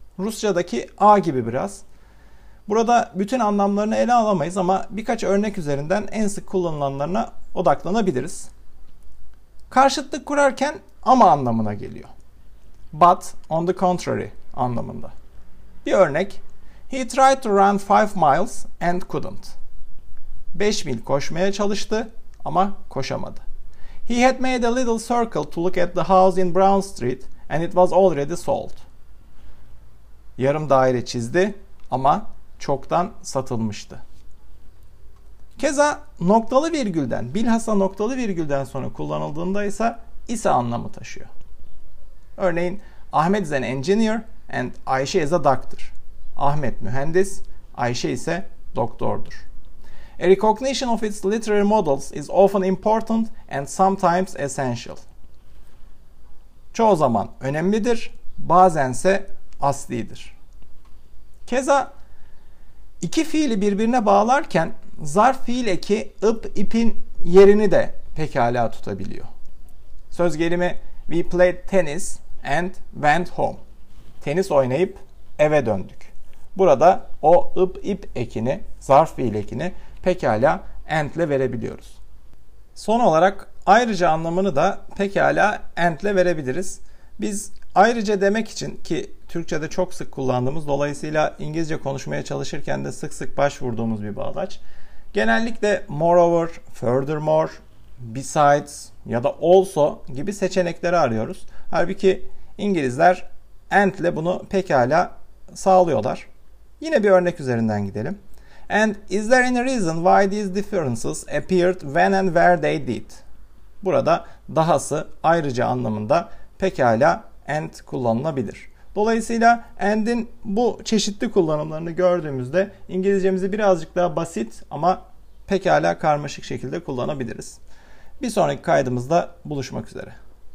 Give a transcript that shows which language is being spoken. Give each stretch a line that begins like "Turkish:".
Turkish: Rusçadaki A gibi biraz. Burada bütün anlamlarını ele alamayız ama birkaç örnek üzerinden en sık kullanılanlarına odaklanabiliriz. Karşıtlık kurarken ama anlamına geliyor.
English: But on the contrary
Turkish: anlamında. Bir örnek.
English: He tried to run 5 miles and couldn't.
Turkish: 5 mil koşmaya çalıştı ama koşamadı.
English: He had made a little circle to look at the house in Brown Street and it was already sold.
Turkish: Yarım daire çizdi ama çoktan satılmıştı. Keza noktalı virgülden, bilhassa noktalı virgülden sonra kullanıldığında ise anlamı taşıyor. Örneğin,
English: Ahmet is an engineer and Ayşe is a doctor.
Turkish: Ahmet mühendis, Ayşe ise doktordur.
English: A recognition of its literary models is often important and sometimes essential.
Turkish: Çoğu zaman önemlidir, bazense aslidir. Keza iki fiili birbirine bağlarken zarf fiil eki ıp ipin yerini de pekala tutabiliyor. Söz gelimi
English: we played tennis and went home.
Turkish: Tenis oynayıp eve döndük. Burada o ıp ip ekini, zarf fiil ekini pekala and ile verebiliyoruz. Son olarak ayrıca anlamını da pekala and ile verebiliriz. Biz ayrıca demek için ki Türkçe'de çok sık kullandığımız, dolayısıyla İngilizce konuşmaya çalışırken de sık sık başvurduğumuz bir bağlaç. Genellikle moreover, furthermore, besides ya da also gibi seçenekleri arıyoruz. Halbuki İngilizler and ile bunu pekala sağlıyorlar. Yine bir örnek üzerinden gidelim.
English: And is there any reason why these differences appeared when and where they did?
Turkish: Burada dahası ayrıca anlamında pekala and kullanılabilir. Dolayısıyla and'in bu çeşitli kullanımlarını gördüğümüzde İngilizcemizi birazcık daha basit ama pekala karmaşık şekilde kullanabiliriz. Bir sonraki kaydımızda buluşmak üzere.